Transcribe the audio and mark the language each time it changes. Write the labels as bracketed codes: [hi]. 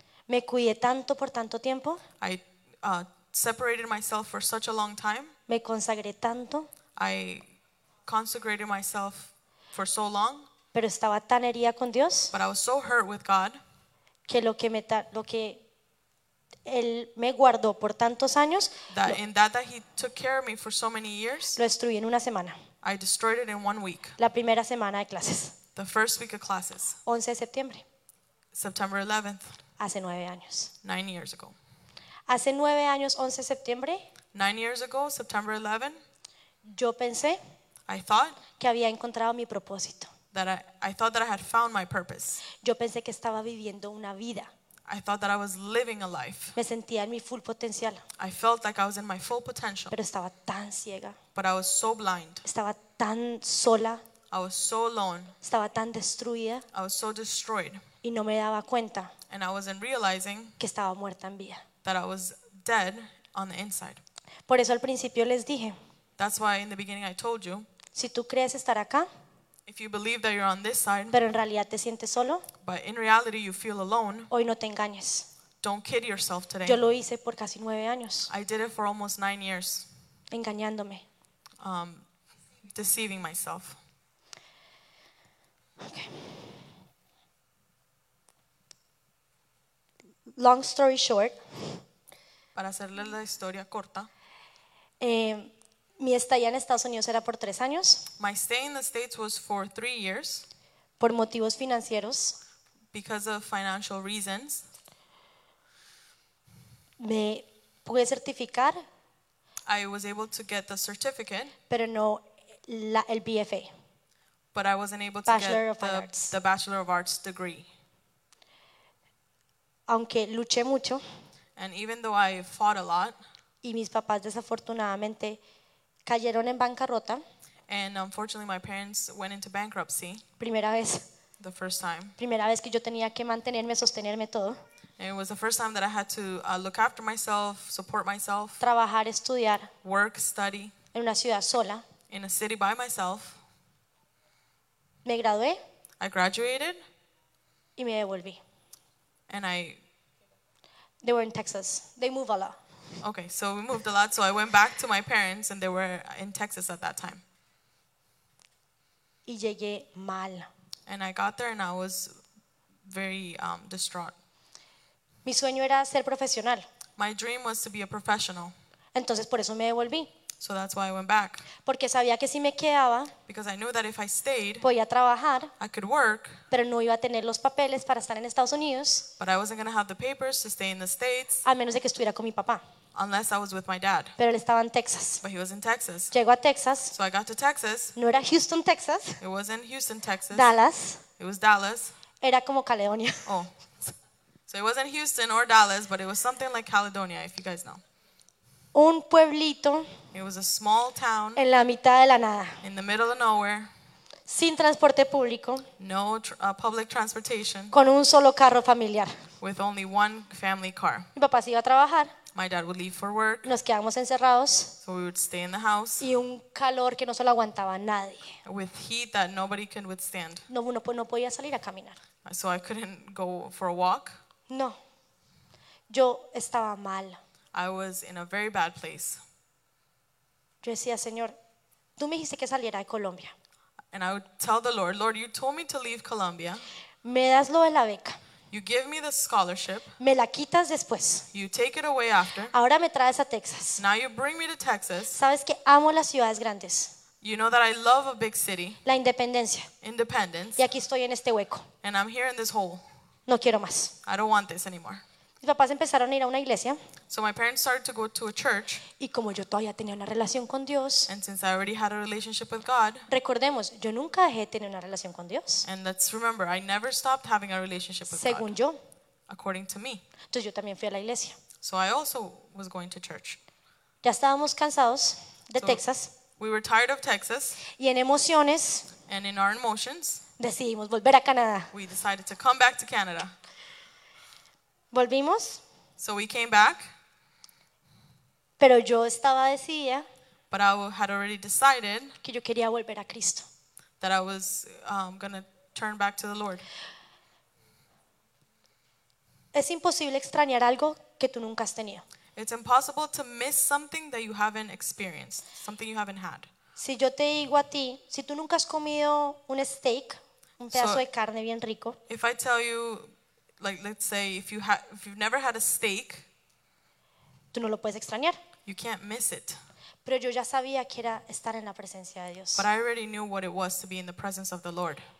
[es] Me cuidé tanto por tanto tiempo. [en] I separated myself for such a long time. [es] Me consagré tanto. [en] I consecrated myself for so long. [es] Pero estaba tan herida con Dios. [en] But I was so hurt with God. [es] Que lo que él me guardó por tantos años. [en] That he took care of me for so many years. [es] Lo destruí en una semana. [en] I destroyed it in 1 week. [es] La primera semana de clases. [en] The first week of classes. [es] 11 de septiembre. [en] September 11th. [es] Hace 9 años. [en] 9 years ago. [es] Hace 9 años, 11 de septiembre. [en] 9 years ago, September 11th. [es] Yo pensé. [en] I thought. [es] Que había encontrado mi propósito. [en] That I thought that I had found my purpose. [es] Yo pensé que estaba viviendo una vida. [en] I thought that I was living a life. [es] Me sentía en mi full potencial. [en] I felt like I was in my full potential. [es] Pero estaba tan ciega. [en] But I was so blind. [es] Estaba tan sola. [en] I was so alone. [es] Estaba tan destruida. [en] I was so destroyed. [es] Y no me daba cuenta. [en] And I wasn't realizing. [es] Que estaba muerta en vida. [en] That I was dead on the inside. [es] Por eso al principio les dije. [en] That's why in the beginning I told you. [es] Si tú crees estar acá. [en] If you believe that you're on this side, [es] pero en realidad te sientes solo, [en] but in reality you feel alone, [es] hoy no te engañes. [en] Don't kid yourself today. [es] Yo lo hice por casi 9 años. [en] I did it for almost 9 years. [es] Engañándome. [en] Deceiving myself. Okay. Long story short. [es] Para hacerle la historia corta. Mi estadía en Estados Unidos era por 3 años. [en] My stay in the States was for 3 years. [es] Por motivos financieros. [en] Because of financial reasons. [es] Me pude certificar. [en] I was able to get the certificate. [es] Pero no el BFA. [en] But I wasn't able to Bachelor get of Fine Arts. The Bachelor of Arts degree. [es] Aunque luché mucho. [en] And even though I fought a lot. [es] Y mis papás desafortunadamente cayeron en bancarrota. [en] And unfortunately my parents went into bankruptcy. [es] Primera vez. [en] The first time. [es] Primera vez que yo tenía que mantenerme, sostenerme todo. [en] It was the first time that I had to look after myself, support myself. [es] Trabajar, estudiar. [en] Work, study. [es] En una ciudad sola. [en] In a city by myself. [es] Me gradué. [en] I graduated. [es] Y me devolví. [en] And I They were in Texas. They move a lot. Okay, so we moved a lot, so I went back to my parents, and they were in Texas at that time. [es] Y llegué mal. [en] And I got there, and I was very distraught. [es] Mi sueño era ser profesional. [en] My dream was to be a professional. [es] Entonces, por eso me devolví. [en] So that's why I went back. [es] Porque sabía que si me quedaba, [en] because I knew that if I stayed, [es] podía trabajar, [en] I could work, [es] pero no iba a tener los papeles para estar en Estados Unidos, [en] but I wasn't going to have the papers to stay in the States, [es] a menos de que estuviera con mi papá, [en] unless I was with my dad. [es] Pero él estaba en Texas. [en] But he was in Texas. [es] Llego a Texas. [en] So I got to Texas. [es] No era Houston, Texas. [en] It wasn't Houston, Texas. [es] Dallas. [en] It was Dallas. [es] Era como Caledonia. [en] Oh. So it wasn't Houston or Dallas, but it was something like Caledonia, if you guys know. [es] Un pueblito. [en] It was a small town. [es] En la mitad de la nada. [en] In the middle of nowhere. [es] Sin transporte público. [en] No public transportation. [es] Con un solo carro familiar. [en] With only one family car. [es] Mi papá se iba a trabajar. [en] My dad would leave for work. [es] Nos quedamos encerrados. [en] So we would stay in the house. [es] Y un calor que no se lo aguantaba nadie. [en] With heat that nobody can withstand. [es] No podía salir a caminar. [en] So I couldn't go for a walk. [es] No. Yo estaba mal. [en] I was in a very bad place. [es] Yo decía, Señor, tú me dijiste que saliera de Colombia. [en] And I would tell the Lord, Lord, you told me to leave Colombia. [es] Me das lo de la beca. [en] You give me the scholarship. [es] Me la quitas después. [en] You take it away after. [es] Ahora me traes a Texas. [en] Now you bring me to Texas. [es] Sabes que amo las ciudades grandes. [en] You know that I love a big city. [es] La independencia. [en] Independence. [es] Y aquí estoy en este hueco. [en] And I'm here in this hole. [es] No quiero más. [en] I don't want this anymore. [es] Mis papás empezaron a ir a una iglesia. [en] So my parents started to go to a church. [es] Y como yo todavía tenía una relación con Dios. [en] And since I already had a relationship with God. [es] Recordemos, yo nunca dejé de tener una relación con Dios. [en] And let's remember, I never stopped having a relationship with God. [es] Según yo. [en] According to me. [es] Entonces yo también fui a la iglesia. [en] So I also was going to church. [es] Ya estábamos cansados de Texas. [en] We were tired of Texas. [es] Y en emociones. [en] And in our emotions. [es] Decidimos volver a Canadá. [en] We decided to come back to Canada. [es] Volvimos. [en] So we came back. [es] Pero yo estaba decidida. [en] But I had already decided. [es] Que yo quería volver a Cristo. [en] That I was going to turn back to the Lord. [es] Es imposible extrañar algo que tú nunca has tenido. [en] It's impossible to miss something that you haven't experienced. Something you haven't had. [es] Si yo te digo a ti, si tú nunca has comido un steak, un pedazo de carne bien rico. [en] If I tell you, like, let's say if you've never had a steak, [es] tú no lo puedes extrañar. [en] You can't miss it. [es] Pero yo ya sabía que era estar en la presencia de Dios. [en] But I already knew what it was to be in the presence of the Lord.